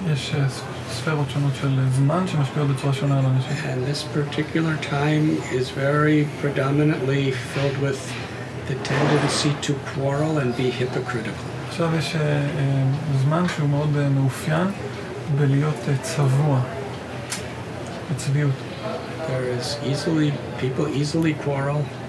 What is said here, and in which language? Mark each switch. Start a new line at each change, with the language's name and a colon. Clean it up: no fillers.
Hebrew: יש ספירות שונות של זמן שמשפיעות בצורה שונה על אנשים.
English: And this particular time is very predominantly filled with the tendency to quarrel and be hypocritical.
Hebrew: עכשיו יש זמן שהוא מאוד מאופיין בלהיות צבוע, בצביעות.
English: There is easily, people easily quarrel.